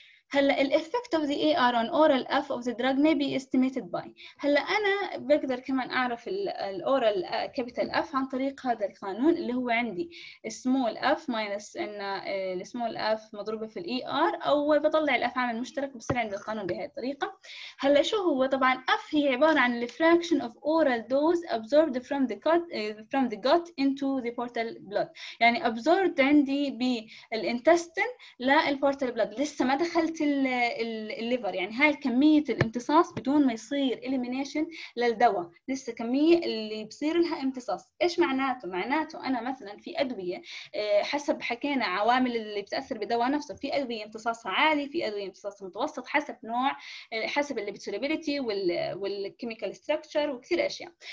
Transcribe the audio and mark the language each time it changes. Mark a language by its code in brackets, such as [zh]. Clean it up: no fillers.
[ar] هلا [en] الإفكت of the AR on oral F of the drug may be estimated by. [ar] هلا أنا بقدر كمان أعرف ال oral capital F عن طريق هذا القانون اللي هو عندي small F minus إن ال small F مضروبة في ال AR، أو بطلع الأفعال المشترك بصير عندي القانون بهذه الطريقة. هلا شو هو؟ طبعا F هي عبارة عن [en] the fraction of oral dose absorbed from the gut into the portal blood. [ar] يعني absorbed عندي بالإنتستين لا البورتال بلود، لسه ما دخلت الليفر، يعني هاي كمية الامتصاص بدون ما يصير إليمينيشن للدواء، لسه كمية اللي بصير لها امتصاص. إيش معناته؟ معناته أنا مثلا في أدوية حسب حكينا عوامل اللي بتأثر بدواء نفسه، في أدوية امتصاصها عالي، في أدوية امتصاصها متوسط، حسب نوع، حسب الليبتوليبيليتي والكيميكال ستركتشر وكثير أشياء.